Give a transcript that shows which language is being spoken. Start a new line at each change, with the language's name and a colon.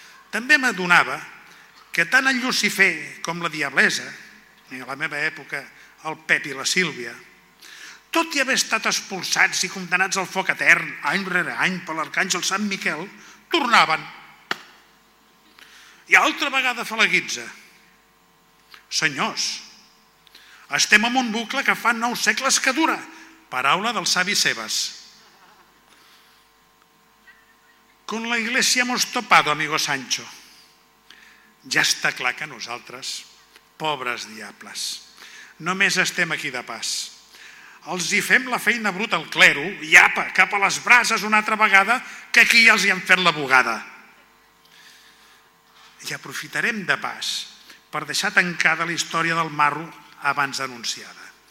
Catalan: També m'adonava que tant el Lucifer com la diablesa, i a la meva època el Pep i la Sílvia, tot i haver estat expulsats i condemnats al foc etern, any rere any, per l'arcàngel Sant Miquel, tornaven. I altra vegada fa la guitza. Senyors, estem en un bucle que fa 9 segles que dura. Paraula del savi Sebas.
Spanish: Con la iglesia hemos topado, amigo Sancho.
Catalan: Ja està clar que nosaltres, pobres diables, només estem aquí de pas. Els hi fem la feina bruta al clero i apa, cap a les brases una altra vegada, que aquí ja els hi han fet la bugada. I aprofitarem de pas per deixar tancada la història del marro abans anunciada.